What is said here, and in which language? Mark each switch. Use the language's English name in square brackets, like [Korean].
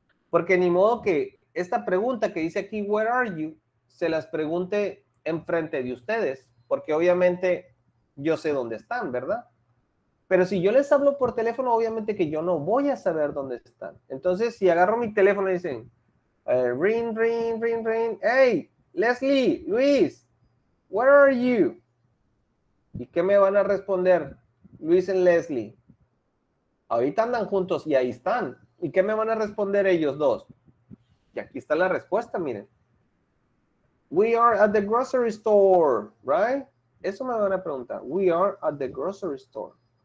[Spanish] Porque ni modo que esta pregunta que dice aquí, [English] where are you, [Spanish] se las pregunte enfrente de ustedes, porque obviamente yo sé dónde están, ¿verdad? Pero si yo les hablo por teléfono, obviamente que yo no voy a saber dónde están. Entonces, si agarro mi teléfono y dicen, ring, ring, ring, ring. [English] Hey, Leslie, Luis, where are you? [Spanish] ¿Y qué me van a responder Luis y Leslie? Ahorita andan juntos y ahí están. ¿Y qué me van a responder ellos dos? Y aquí está la respuesta, miren. [English] We are at the grocery store, right? [Spanish] Eso me van a preguntar. [English] We are at the grocery store.